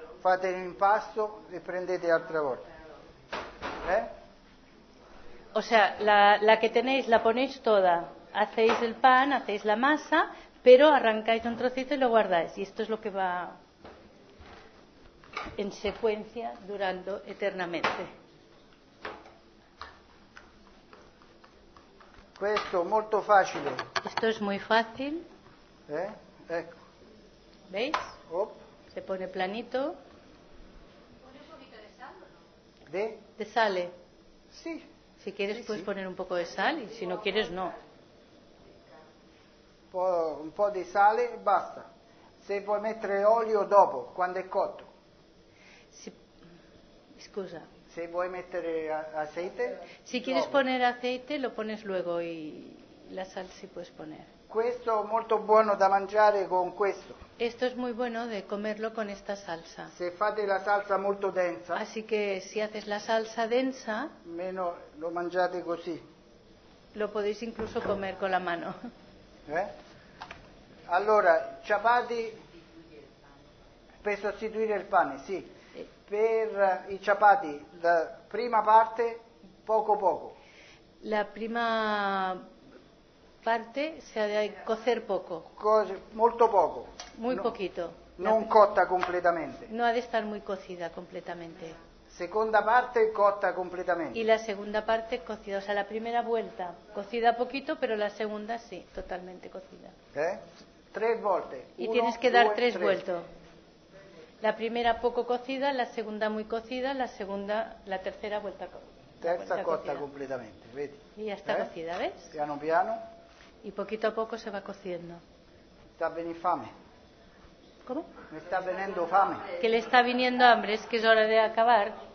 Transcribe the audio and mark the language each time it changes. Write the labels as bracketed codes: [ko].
[it] Fate l'impasto e prendete altra volta. [es] O sea, la que tenéis la ponéis toda, hacéis el pan, hacéis la masa, pero arrancáis un trocito y lo guardáis. Y esto es lo que va en secuencia durando eternamente. Esto es muy fácil. Esto es muy fácil. [it] Ecco. [es] ¿Veis? Op. Se pone planito. ¿Pones un poquito de sal? ¿De? De sale. Sí. Si quieres puedes poner un poco de sal y si no quieres no. [it] Un po' di sale e basta. Se vuoi mettere olio dopo, quando è cotto. Scusa. Se vuoi mettere aceite. [es] Si quieres poner aceite lo pones luego y la sal si puedes poner. [it] Questo è molto buono da mangiare con questo. [es] Esto es muy bueno de comerlo con esta salsa. [it] Se fate la salsa molto densa. [es] Así que si haces la salsa densa. [it] Meno lo mangiate così. [es] Lo podéis incluso comer con la mano. [it] Allora, chapati per sostituire il pane, sì. Per i chapati, la prima parte poco. [es] La prima parte se ha de cocer poco. [it] Molto poco. [es] Muy poquito. [it] Non cotta completamente. [es] No ha de estar muy cocida completamente. [it] Seconda parte cotta completamente. [es] Y la segunda parte cocida, o sea, la primera vuelta cocida poquito, pero la segunda sí, totalmente cocida. Tres volte. Y tienes que dar tres vueltos. La primera poco cocida, la segunda muy cocida, la tercera vuelta cocida. [it] Terza cotta completamente, vedi. [es] Y ya está cocida, ¿ves? [it] Piano piano. [es] Y poquito a poco se va cociendo. Está bien infame. ¿Cómo? Me está veniendo fame. Que le está viniendo hambre, es que es hora de acabar.